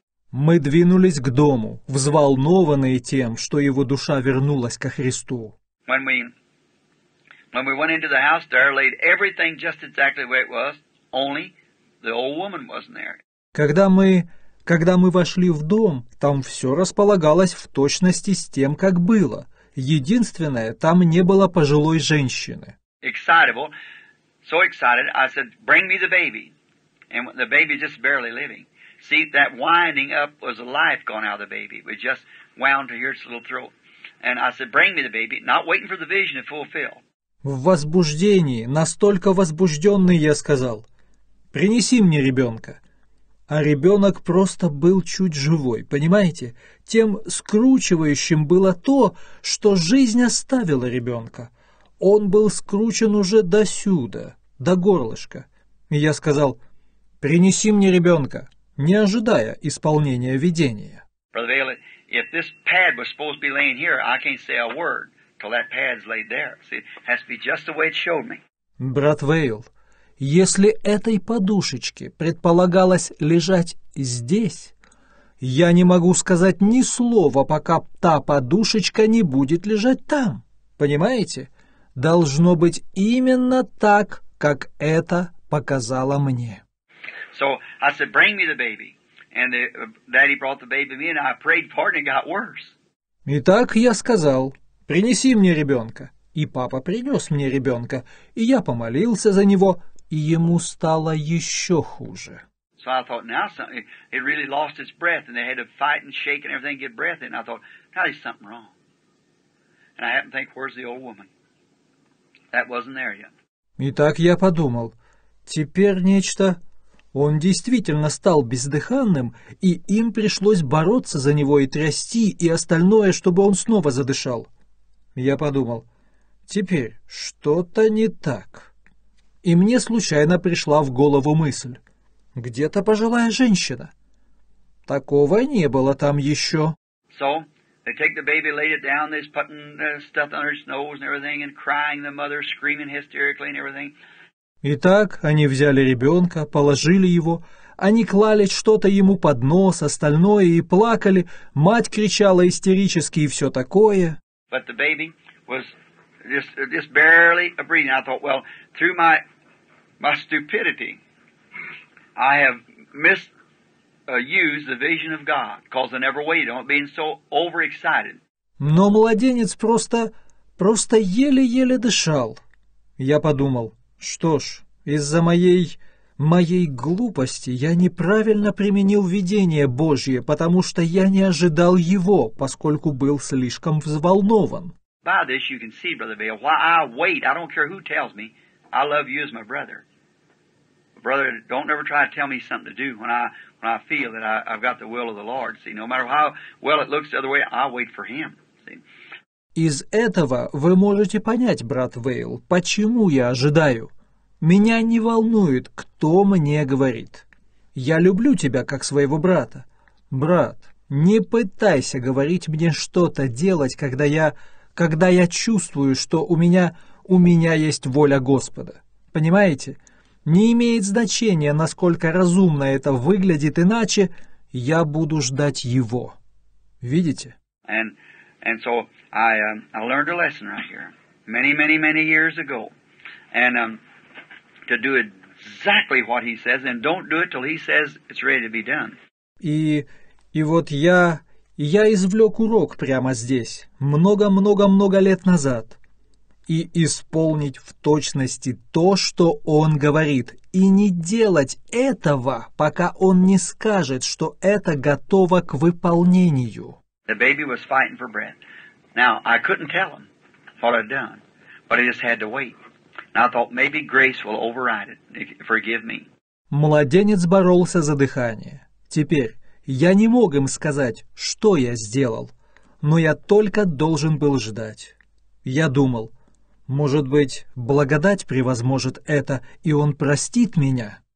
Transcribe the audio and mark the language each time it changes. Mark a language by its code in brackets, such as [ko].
[ru] Мы двинулись к дому, взволнованные тем, что его душа вернулась ко Христу. [en] When we went into the house, there laid everything just exactly where it was, only the old woman wasn't there. [ru] Когда мы вошли в дом, там все располагалось в точности с тем, как было. Единственное, там не было пожилой женщины. [en] Excitable, so excited, I said, bring me the baby. And the baby just barely living. See, that winding up was the life gone out of the baby. It was just wound to hear its little throat. And I said, bring me the baby, not waiting for the vision to fulfill. [ru] В возбуждении, настолько возбужденный, я сказал, принеси мне ребенка. А ребенок просто был чуть живой, понимаете? Тем скручивающим было то, что жизнь оставила ребенка. Он был скручен уже досюда, до горлышка. И я сказал, принеси мне ребенка, не ожидая исполнения видения. [en] Brother Bailey, if this pad was supposed to be laying here, I can't say a word till that pad's laid there. See, it has to be just the way it showed me. [ru] Брат Вейл, если этой подушечке предполагалось лежать здесь, я не могу сказать ни слова, пока та подушечка не будет лежать там. Понимаете? Должно быть именно так, как это показало мне. [en] So I said, bring me the baby. And the daddy brought the baby in, and I prayed for it, and it got worse. [ru] Итак, я сказал, принеси мне ребенка. И папа принес мне ребенка, и я помолился за него, и ему стало еще хуже. [en] So I thought, now it really lost its breath, and they had to fight and shake and everything to get breath in. I thought, now there's something wrong. And I happened to think, where's the old woman? That wasn't there yet. [ru] Итак, я подумал, теперь нечто... Он действительно стал бездыханным, и им пришлось бороться за него и трясти, и остальное, чтобы он снова задышал. Я подумал, теперь что-то не так. И мне случайно пришла в голову мысль. Где-то пожилая женщина. Такого не было там еще. [en] So, they take the baby, laid it down, they're putting stuff under its nose and everything, and crying, the mother screaming hysterically and everything. [ru] Итак, они взяли ребенка, положили его, они клали что-то ему под нос, остальное, и плакали, мать кричала истерически и все такое. [en] But the baby was just barely breathing. I thought, well, through my stupidity, I have misused the vision of God, because I never waited on being so overexcited. [ru] Но младенец просто еле-еле дышал. Я подумал, что ж, из-за моей глупости я неправильно применил видение Божье, потому что я не ожидал его, поскольку был слишком взволнован. [en] By this you can see, Brother Bale, why I wait. I don't care who tells me. I love you as my brother. Brother, don't ever try to tell me something to do when I feel that I've got the will of the Lord. See, no matter how well it looks the other way, I wait for him. See? [ru] Из этого вы можете понять, брат Вейл, почему я ожидаю. Меня не волнует, кто мне говорит. Я люблю тебя, как своего брата. Брат, не пытайся говорить мне что-то делать, когда я чувствую, что у меня есть воля Господа. Понимаете? Не имеет значения, насколько разумно это выглядит, иначе я буду ждать его. Видите? [en] And so I learned a lesson right here many, many, many years ago. And to do exactly what he says, and don't do it till he says it's ready to be done. [ru] И вот я извлек урок прямо здесь, много-много-много лет назад. И исполнить в точности то, что он говорит, и не делать этого, пока он не скажет, что это готово к выполнению. [en] The baby was fighting for breath. Now, I couldn't tell him what I'd done, but I just had to wait. And I thought, maybe grace will override it. Forgive me. [ru] Младенец боролся за дыхание. Теперь я не мог им сказать, что я сделал, но я только должен был ждать. Я думал, может быть, благодать превозможет это, и он простит меня.